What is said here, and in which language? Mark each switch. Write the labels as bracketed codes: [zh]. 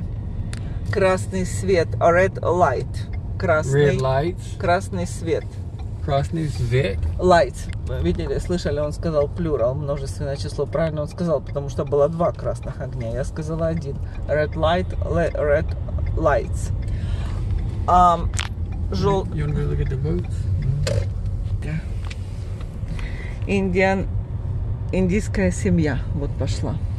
[ru] Okay. Красный свет. Red light. Красный, [en] red lights. [ru] Красный свет. Красный век. [en] Lights. [ru] Видели, слышали, он сказал plural, множественное число. Правильно он сказал, потому что было два красных огня. [en] Я сказала один. Red light, red lights. You want to go look at the boats? [ru] Индийская семья вот пошла.